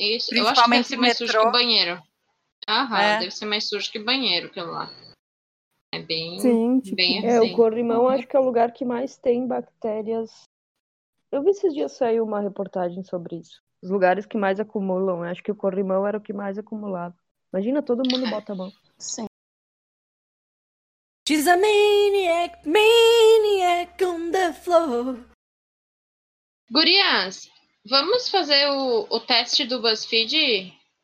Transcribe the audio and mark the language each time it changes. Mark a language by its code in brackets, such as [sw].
[pt] Eu acho que deve ser mais sujo que o banheiro. Aham, deve ser mais sujo que o banheiro, aquilo lá. É bem, sim, tipo, bem assim. É, o corrimão acho que é o lugar que mais tem bactérias. Eu vi esses dias sair uma reportagem sobre isso. Os lugares que mais acumulam. Eu acho que o corrimão era o que mais acumulava. Imagina, todo mundo bota a mão. Sim. [en] She's a maniac, maniac on the floor. [pt] Gurias, vamos fazer o teste do BuzzFeed?